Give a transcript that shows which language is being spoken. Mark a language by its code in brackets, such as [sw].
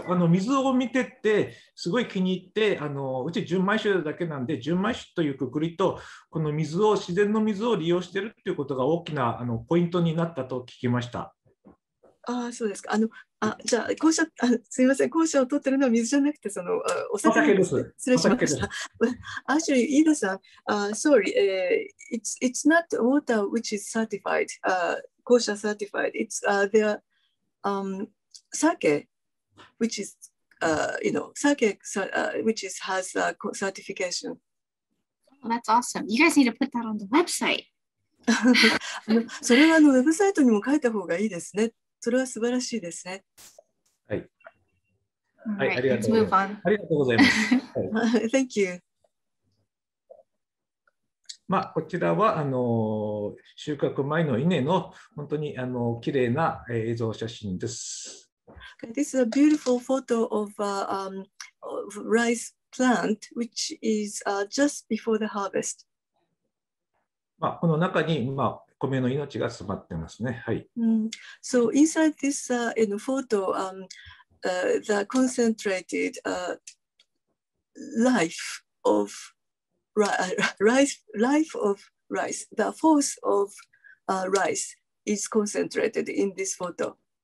[ja] 水を見てってすごい気に入ってあのうち純米酒だけなんで純米酒というくくりとこの水を自然の水を利用しているということが大きなあのポイントになったと聞きました。ああそうですか。じゃあ公社すみません公社を取ってるのは水じゃなくてそのお酒です。失礼しました。 [en] Actually, Ida さん、sorry, it's not water which is certified, 公社 certified. It's there. Sake, which is sake, which is has a certification. That's awesome. You guys need to put that on the website. [ja] それはあのウェブサイトにも書いた方がいいですね。それは素晴らしいですね。はい。はい、ありがとうございます。ありがとうございます。 [en] Thank you。 [ja] まあこちらはあの収穫前の稲の本当にあの綺麗な映像写真です。 [en] Okay, this is a beautiful photo of a rice plant, which is just before the harvest. [ja] まあこの中にまあ米の命が詰まってますね。はい。 [en] So inside this in the photo, the concentrated life of rice, life of rice, the force of rice is concentrated in this photo.